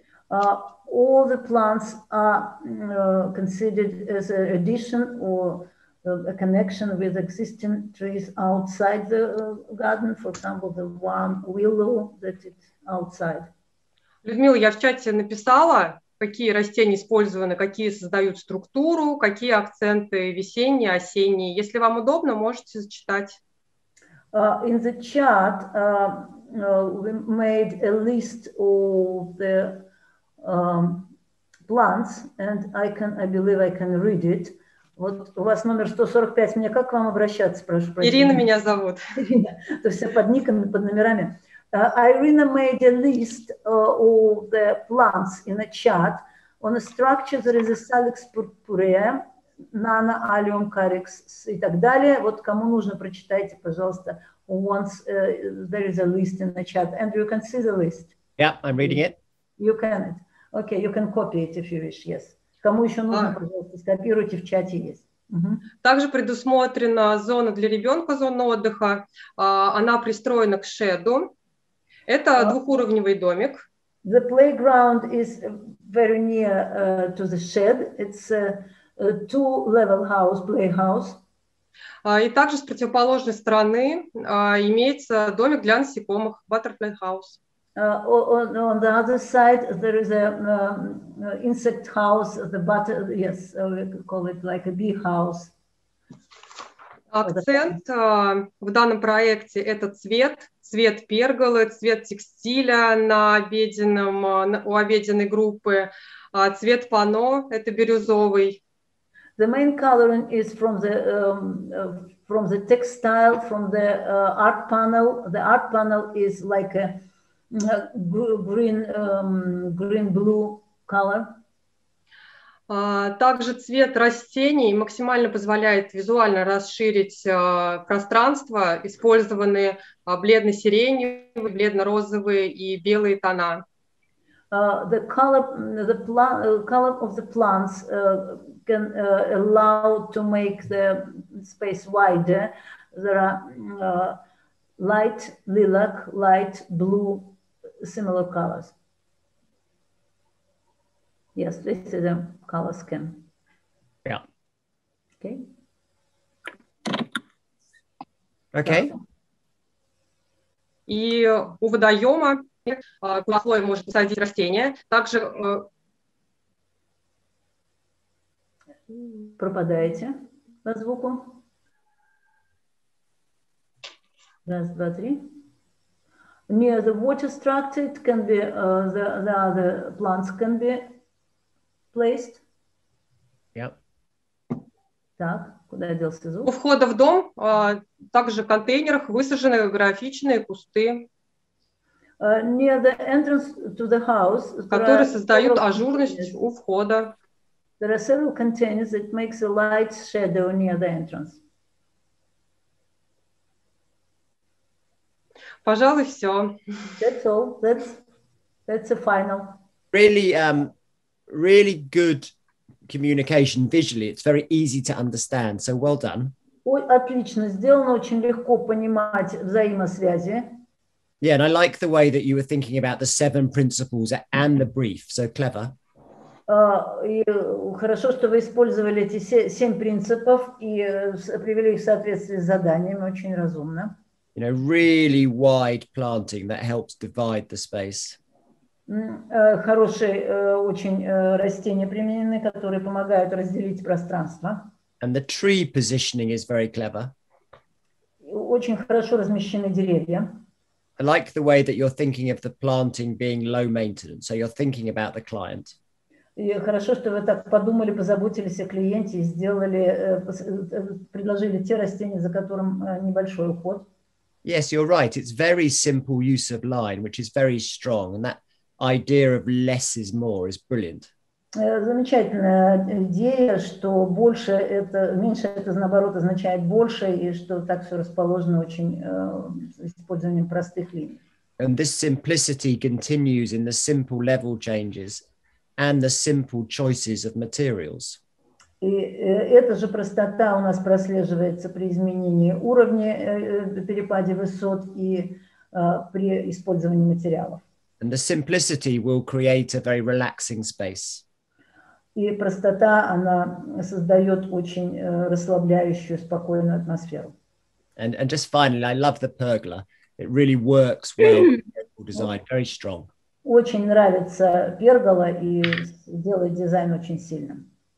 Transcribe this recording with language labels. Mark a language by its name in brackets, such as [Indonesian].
[English] All the plants are considered as an addition or a connection with existing trees outside the garden, for example, the one willow that is outside. [Russian] Людмила, я в чате написала, какие растения использованы, какие создают структуру, какие акценты весенние, осенние. Если вам удобно, можете зачитать. In the chat, we made a list of the plants, and I believe I can read it. Вот у вас номер 145. Мне как к вам обращаться, прошу прощения? Ирина меня зовут. Ирина. То есть под никами, под номерами. [English] Ирина made a list of the plants in a chat. On a structure there is a Salix purpurea, Nana allium carex [Russian] и так далее. Вот кому нужно, прочитайте, пожалуйста. [English] Once there is a list in the chat, and you can see the list. Yeah, I'm reading it. You can it. Okay, you can copy it if you wish. Yes. [Russian] Кому еще нужно, пожалуйста, скопируйте, в чате есть. Также предусмотрена зона для ребенка, зона отдыха. Она пристроена к шеду. Это двухуровневый домик. [English] The playground is very near to the shed. It's a two-level house, playhouse. [Russian] И также с противоположной стороны имеется домик для насекомых, [English] butterfly house. On the other side there is a insect house, the butter, yes, we call it like a bee house. [Russian] Акцент в данном проекте – это цвет, цвет перголы, цвет текстиля на обеденном, у обеденной группы, цвет панно – это бирюзовый. [English] The main coloring is from the textile, from the art panel. The art panel is like a green-blue color. [Russian] Также цвет растений максимально позволяет визуально расширить пространство. Использованы бледно-сиреневые, бледно-розовые и белые тона. [English] The color of the plants can allow to make the space wider. There are light lilac, light blue, similar colors. Yes, this is the color scheme. Yeah. Okay. Okay. [Russian] И у водоема плохое может посадить растение. Также пропадаете по звуку. Раз, два, три. [English] Near the water structure, it can be the other plants can be placed. Yep. [Russian] Так, куда я делся звук? У входа в дом также в контейнерах высажены графичные кусты. [English] Near the entrance to the house, [Russian] которые создают ажурность у входа. [English] There are several containers that makes a light shadow near the entrance. [Russian] Пожалуй, все. [English] That's all. That's a final. Really, really good communication visually. It's very easy to understand. So well done. [Russian] Ой, отлично сделано, очень легко понимать взаимосвязи. [English] Yeah, and I like the way that you were thinking about the seven principles and the brief. So clever. [Russian] Хорошо, что вы использовали эти семь принципов и привели их в соответствие с заданием. Очень разумно. [English] You know, really wide planting that helps divide the space. [Russian] Хорошие очень растения применены, которые помогают разделить пространство. [English] And the tree positioning is very clever. [Russian] Очень хорошо размещены деревья. [English] I like the way that you're thinking of the planting being low maintenance. So you're thinking about the client. [Russian] И хорошо, что вы так подумали, позаботились о клиенте и сделали, предложили те растения, за которым небольшой уход. [English] Yes, you're right. It's very simple use of line, which is very strong. And that idea of less is more is brilliant. [Russian] Замечательная идея, что больше это меньше, это наоборот означает больше, и что так все расположено очень с использованием простых линий. [English] And this simplicity continues in the simple level changes and the simple choices of materials. [Russian] И эта же простота у нас прослеживается при изменении уровня, перепаде высот и при использовании материалов. [English] And the simplicity will create a very relaxing space. [Russian] И простота, она создает очень расслабляющую, спокойную атмосферу. [English] And just finally, I love the pergola. It really works well with the design, very strong. [Russian] Очень нравится пергола и делает дизайн очень сильным.